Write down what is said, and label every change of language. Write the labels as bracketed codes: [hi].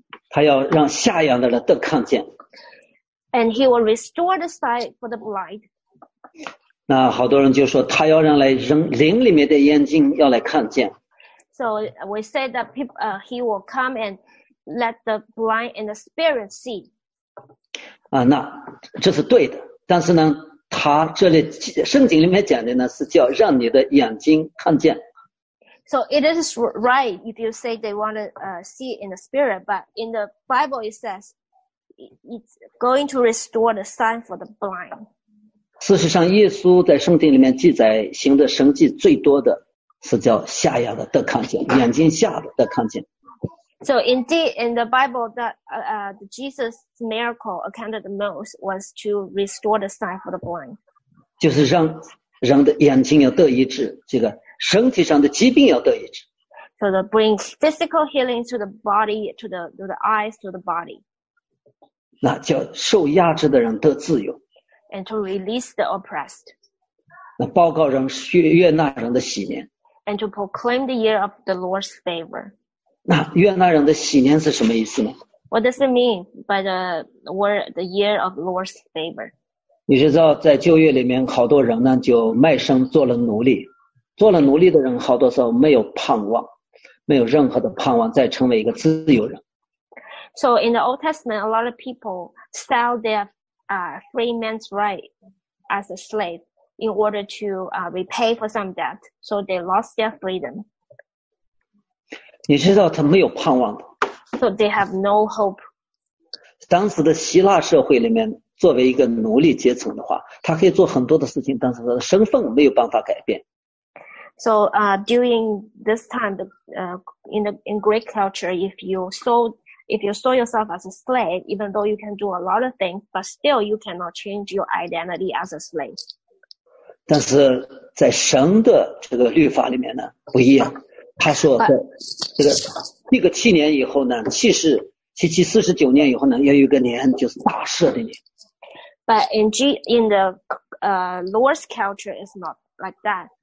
[zh] 他要让瞎眼的人都看见。 [en] And he will restore the sight for the blind. [zh] 那好多人就说他要让来人灵里面的眼睛要来看见。 [en] So we say that he will come and let the blind and the spirit see. [zh] 那这是对的，但是呢，他这里圣经里面讲的呢，是叫让你的眼睛看见。 [en] So it is right if you say they want to see in the spirit, but in the Bible it says it's going to restore the sight for the blind. [zh] 事实上，耶稣在圣经里面记载行的神迹最多的是叫瞎眼的得看见，眼睛瞎的得看见。 [en] So indeed, in the Bible, that Jesus' miracle accounted the most was to restore the sight for the blind. [zh] 就是让人的眼睛要得医治，这个身体上的疾病要得医治。 [en] So to bring physical healing to the body, to the eyes, to the body. [zh] 那叫受压制的人得自由。 [en] And to release the oppressed. [zh] 那报告人悦纳人的喜年。 [en] And to proclaim the year of the Lord's favor. [zh] 那悦纳人的喜年是什么意思呢？ [en] What does it mean by the word the year of Lord's favor? [zh] 你知道在旧约里面好多人呢就卖身做了奴隶，做了奴隶的人好多时候没有盼望，没有任何的盼望再成为一个自由人。 [en] So in the Old Testament, a lot of people sell their free man's right as a slave. In order to repay for some debt, so they lost their freedom. [zh] 你知道他没有盼望的。 [en] So they have no hope. [zh] 当时的希腊社会里面，作为一个奴隶阶层的话，他可以做很多的事情，但是他的身份没有办法改变。 [en] So during this time, in Greek culture, if you sold yourself as a slave, even though you can do a lot of things, but still you cannot change your identity as a slave. [zh] 但是在神的这个律法里面呢不一样，他说在这个一个七年以后呢，七七四十九年以后呢，要有一个年就是大赦的年。 [en] But in the Lord's culture is not like that.